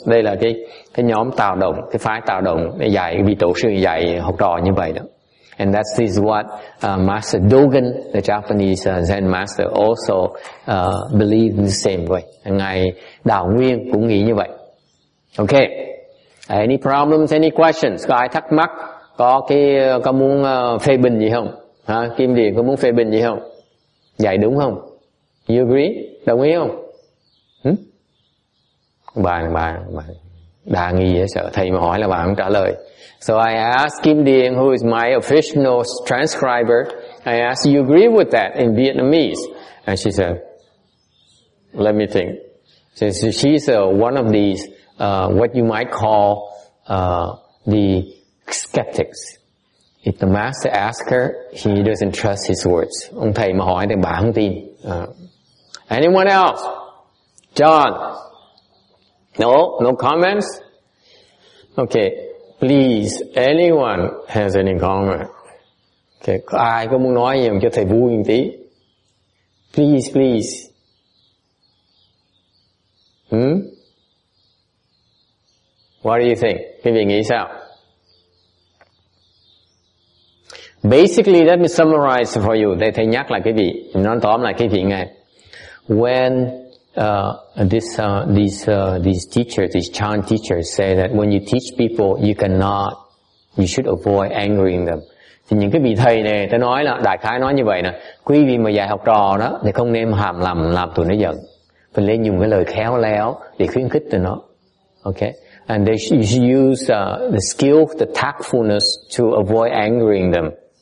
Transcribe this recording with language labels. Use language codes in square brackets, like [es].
[vi] Đây là cái nhóm Tao Dung, cái phái Tao Dung dạy, vị tổ sư dạy học trò như vậy đó. [en] And that is what Master Dogen, the Japanese Zen master, also believed in the same way. [vi] Ngài Đạo Nguyên cũng nghĩ như vậy. [en] Okay. Any problems, any questions? [vi] Có ai thắc mắc, có muốn phê bình gì không? Hả? Kim Điền có muốn phê bình gì không? Dạy đúng không? [en] You agree? [vi] Đồng ý không? Bà đa nghi dễ sợ. Thầy mà hỏi là bà không trả lời. [en] So I ask Kim Điền, who is my official transcriber, I ask, you agree with that in Vietnamese? And she said, let me think. So she's one of these what you might call the skeptics. If the master asks her, he doesn't trust his words. [vi] Ông thầy mà hỏi thì bà không tin. [en] Anyone else? John? No? No comments? Okay. Please, anyone has any comment? Okay. [vi] Có ai có muốn nói gì cho thầy vui một tí? [en] Please. What do you think? [vi] Quý vị nghĩ sao? [en] Basically, let me summarize for you. [vi] Để thầy nhắc lại quý vị. Nói tóm lại quý vị nghe. [en] When these teachers, these Chan teachers say that when you teach people, you should avoid angering them. [vi] Thì những cái vị thầy này, ta nói là, đại khái nói như vậy nè. Quý vị mà dạy học trò đó, thì không nên hàm làm tụi nó giận. Phải nên dùng cái lời khéo léo để khuyến khích tụi nó. Okay? [en] And they use the skill, the tactfulness to avoid angering them.